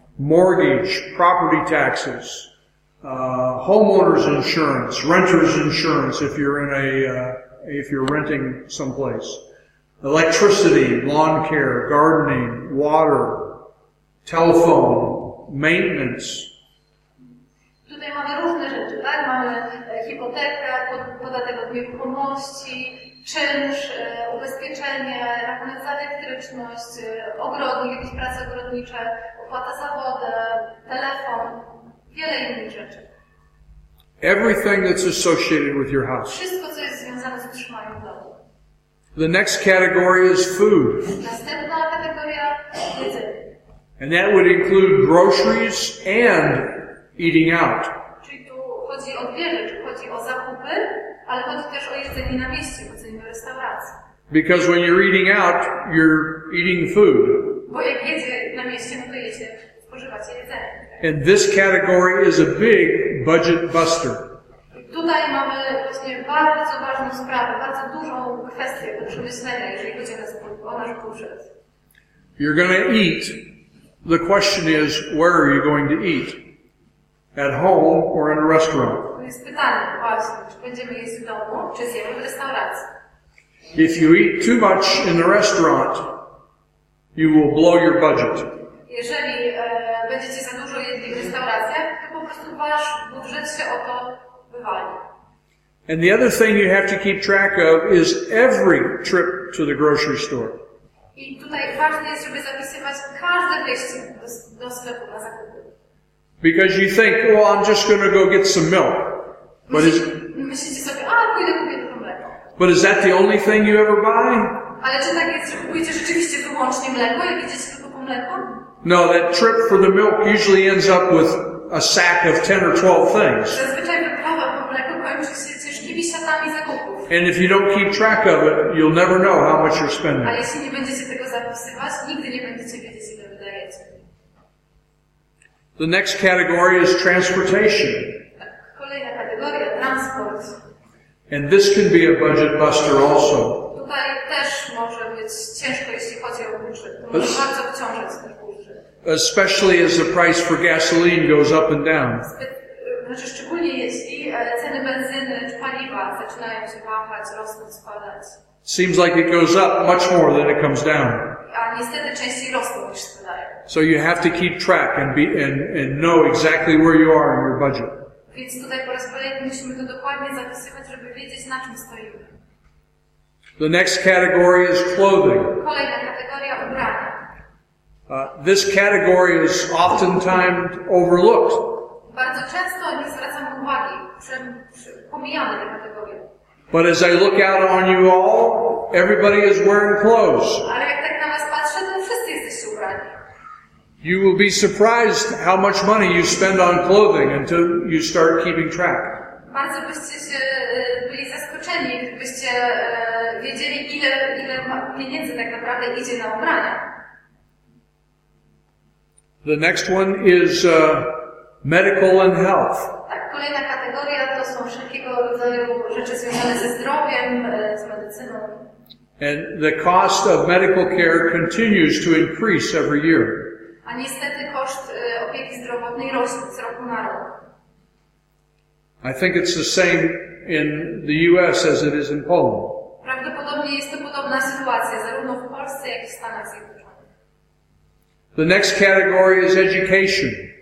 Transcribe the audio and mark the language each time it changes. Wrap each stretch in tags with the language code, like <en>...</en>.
<en>Mortgage, property taxes. Homeowners insurance, renters insurance if you're in a if you're renting someplace. Electricity, lawn care, gardening, water, telephone, maintenance.</en> <pl>Tutaj mamy różne rzeczy, tak? Mamy hipotekę, podatek od nieruchomości, czynsz, ubezpieczenie, rachunek za elektryczność, ogrody, jakieś prace ogrodnicze, opłata za wodę, telefon. Wiele innych rzeczy.</pl> <en>Everything that's associated with your house.</en> <pl>Wszystko, co jest związane z utrzymaniem domu.</pl> <en>The next category is food.</en> <pl>Następna kategoria jedzenie.</pl> <en>And that would include groceries and eating out.</en> <pl>Czyli tu chodzi o dwie rzeczy. Chodzi o zakupy, ale chodzi też o jedzenie na miejscu, jedzenie w restauracji.</pl> <en>Because when you're eating out, you're eating food.</en> <pl>Bo jak jedzie na mieście, no to jedzie, spożywacie jedzenie.</pl> <en>And this category is a big budget buster.</en> <pl>Tutaj mamy właśnie bardzo ważną sprawę, bardzo dużą kwestię do przemyślenia, jeżeli chodzi o nasz budżet.</pl> <en>You're going to eat. The question is, where are you going to eat? At home or in a restaurant?</en> <pl>To jest pytanie, właśnie, czy będziemy jeść w domu, czy zjemy w restauracji?</pl> <en>If you eat too much in the restaurant, you will blow your budget.</en> <pl>Jeżeli będziecie za dużo jedli w restauracjach, to po prostu wasz budżet się o to wywali.</pl> <en>And the other thing you have to keep track of is every trip to the grocery store.</en> <pl>I tutaj ważne jest, żeby zapisywać każde wyjście do sklepu na zakupy.</pl> <en>Because you think, well, I'm just going to go get some milk.</en> <pl>But myślicie sobie, a pójdę kupię trochę mleka.</pl> <en>But is that the only thing you ever buy?</en> <pl>Ale czy tak jest, że kupujecie rzeczywiście wyłącznie mleko, jak idziecie tylko po mleko?</pl> <en>No, that trip for the milk usually ends up with a sack of 10 or 12 things.</en> <pl>Zazwyczaj wyprawa po mleku kończy się ciężkimi siatami zakupów.</pl> <en>And if you don't keep track of it, you'll never know how much you're spending.</en> <pl>A jeśli nie będziecie tego zapisywać, nigdy nie będziecie wiedzieć, ile wydajecie.</pl> <en>The next category is transportation.</en> <pl>Kolejna kategoria, transport.</pl> <en>And this can be a budget buster also.</en> <pl>Tutaj też może być ciężko, jeśli chodzi o budżet. Może bardzo obciążać ten budżet.</pl> <en>Especially as the price for gasoline goes up and down.</en> <pl>Znaczy, szczególnie jeśli ceny benzyny czy paliwa zaczynają się wahać, rosnąć, spadać.</pl> <en>Seems like it goes up much more than it comes down.</en> <pl>A niestety częściej rosną niż spadają.</pl> <en>So you have to keep track and know exactly where you are in your budget.</en> <pl>Więc tutaj po raz kolejny musimy to dokładnie zapisywać, żeby wiedzieć, na czym stoimy.</pl> <en>The next category is clothing.</en> <pl>Kolejna kategoria, ubrania.</pl> <en>This category is oftentimes overlooked.</en> <pl>Bardzo często nie zwracam uwagi, pomijamy tę kategorię.</pl> <en>But as I look out on you all, everybody is wearing clothes.</en> <pl>Ale jak tak na was patrzę, to wszyscy jesteście ubrani.</pl> <en>You will be surprised how much money you spend on clothing until you start keeping track.</en> <pl>Bardzo byście się byli zaskoczeni, gdybyście wiedzieli, ile pieniędzy tak naprawdę idzie na ubrania.</pl> <en>The next one is medical and health.</en> <pl>Tak, kolejna kategoria to są wszelkiego rodzaju rzeczy związane ze zdrowiem, z medycyną.</pl> <en>And the cost of medical care continues to increase every year.</en> <pl>A niestety koszt opieki zdrowotnej rośnie z roku na rok.</pl> <en>I think it's the same in the US as it is in Poland.</en> <pl>Prawdopodobnie jest to podobna sytuacja zarówno w Polsce, jak i w Stanach Zjednoczonych.</pl> <en>The next category is education.</en>